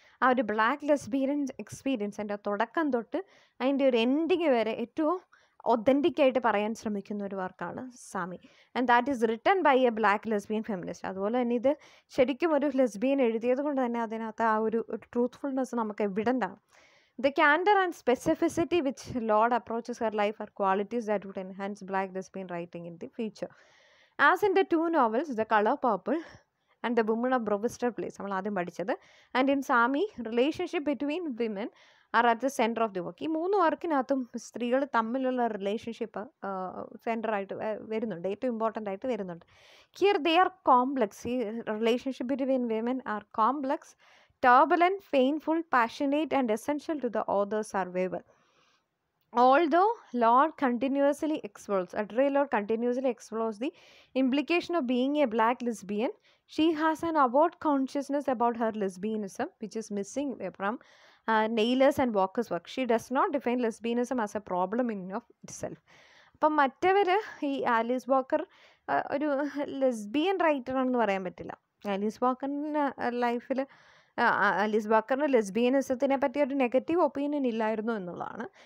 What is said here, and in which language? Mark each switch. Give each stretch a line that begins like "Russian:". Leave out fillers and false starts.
Malayalam: ആ ഒരു black lesbian experience എൻ്റെ തുടക്കം തൊട്ട് അതിൻ്റെ ഒരു എൻഡിങ് വരെ ഏറ്റവും ഒതൻറ്റിക്കായിട്ട് പറയാൻ ശ്രമിക്കുന്ന ഒരു വർക്കാണ് സ്വാമി.
English: And that is written by a black lesbian feminist.
Malayalam: അതുപോലെ തന്നെ ഇത് ശരിക്കും ഒരു ലെസ്ബിയൻ എഴുതിയത് കൊണ്ട് തന്നെ അതിനകത്ത് ആ ഒരു ട്രൂത്ത്ഫുൾനെസ് നമുക്ക് എവിഡൻ്റ് ആണ്.
English: The candor and specificity which Lord approaches her life are qualities that would enhance black lesbian writing in the future. As in the two novels, The Color Purple and The Woman of Brewster Place,
Malayalam: നമ്മൾ ആദ്യം പഠിച്ചത്,
English: and in Sami, relationship between women are at the center of the work.
Malayalam: ഈ മൂന്ന് വർക്കിനകത്തും സ്ത്രീകൾ തമ്മിലുള്ള relationship സെൻറ്ററായിട്ട് വരുന്നുണ്ട്, ഏറ്റവും important ആയിട്ട് വരുന്നുണ്ട്.
English: Here they are complex. ഈ relationship between women are complex, turbulent, painful, passionate and essential to the author's survival. Although Lord continuously explores, Adrielord continuously explores the implication of being a black lesbian, she has an overt consciousness about her lesbianism which is missing from Naylor's and Walker's work. She does not define lesbianism as a problem in and of itself.
Malayalam: അപ്പം മറ്റവർ ഈ Alice walker ഒരു lesbian റൈറ്ററാണെന്ന് പറയാൻ പറ്റില്ല. Alice വാക്കറിൻ്റെ ലൈഫിൽ Alice വാക്കറിൻ്റെ ലെസ്ബിയനിസത്തിനെ പറ്റി ഒരു negative opinion ഇല്ലായിരുന്നു എന്നുള്ളതാണ്.